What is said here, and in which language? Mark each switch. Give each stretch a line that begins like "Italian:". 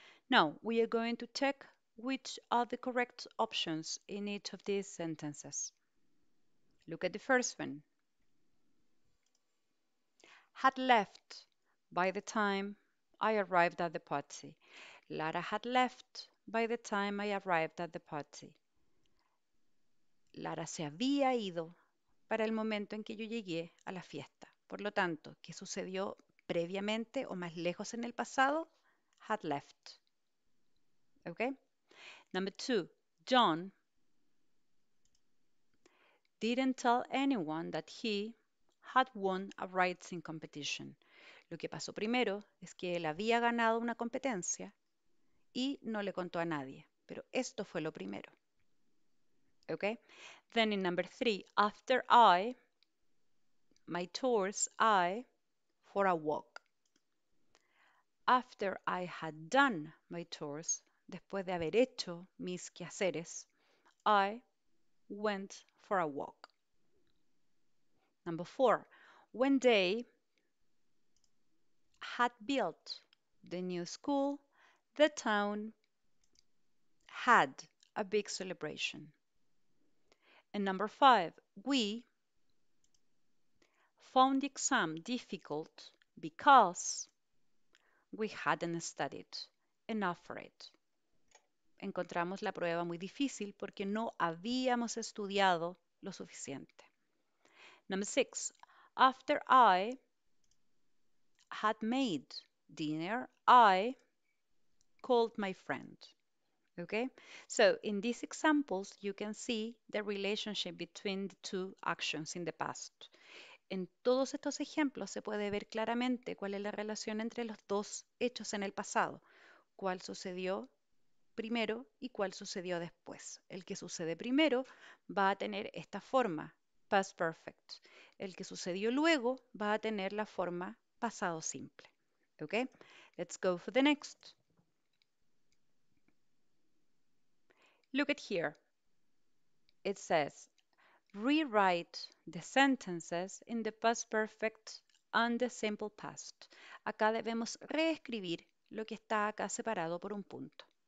English: Now, we are going to check which are the correct options in each of these sentences. Look at the first one. Had left by the time I arrived at the party. Lara had left by the time I arrived at the party.
Spanish: Lara se había ido para el momento en que yo llegué a la fiesta. Por lo tanto, ¿qué sucedió previamente o más lejos en el pasado?
English: Had left. Okay. Number two, John didn't tell anyone that he had won a writing competition.
Spanish: Lo que pasó primero es que él había ganado una competencia y no le contó a nadie, pero esto fue lo primero.
English: Okay. Then in number three, after I, my tours, I, for a walk. After I had done my tours,
Spanish: después de haber hecho mis quehaceres,
English: I went for a walk. Number four, when they had built the new school, the town had a big celebration. And number five, we found the exam difficult because we hadn't studied enough for it.
Spanish: Encontramos la prueba muy difícil porque no habíamos estudiado lo suficiente.
English: Number six, after I had made dinner, I called my friend. Okay, so in these examples, you can see the relationship between the two actions in the past.
Spanish: En todos estos ejemplos se puede ver claramente cuál es la relación entre los dos hechos en el pasado, cuál sucedió primero y cuál sucedió después. El que sucede primero va a tener esta forma, past perfect. El que sucedió luego va a tener la forma pasado simple.
English: Okay, let's go for the next. Look at here. It says, rewrite the sentences in the past perfect and the simple past.
Spanish: Acá debemos reescribir lo que está acá separado por un punto.